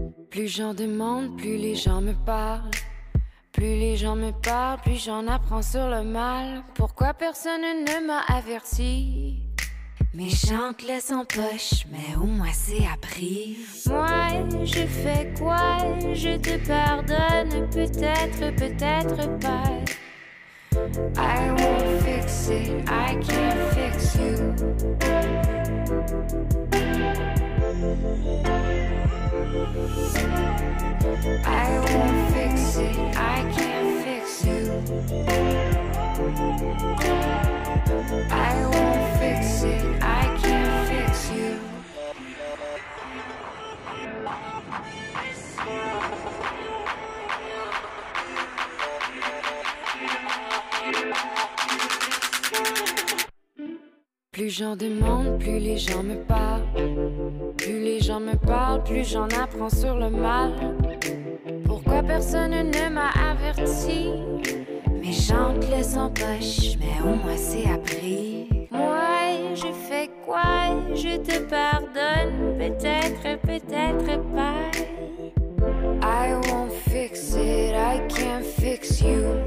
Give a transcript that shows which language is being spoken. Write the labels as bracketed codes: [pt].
[fr] Plus j'en demande, plus les gens me parlent. Plus les gens me parlent, plus j'en apprends sur le mal. Pourquoi personne ne m'a averti? Méchante laisse en poche, mais au moins c'est appris. Moi, je fais quoi? Je te pardonne, peut-être, peut-être pas. [en] I won't fix it, I can't fix you. I won't fix it, I can't fix you. I won't fix it, I can't fix you. [fr] Plus j'en demande, plus les gens me parlent. Plus les gens me parlent, plus j'en apprends sur le mal. Pourquoi personne ne m'a averti? Méchante laisse en poche, mais au moins c'est appris. Moi, je fais quoi? Je te pardonne, peut-être, peut-être pas. [en] I won't fix it, I can't fix you.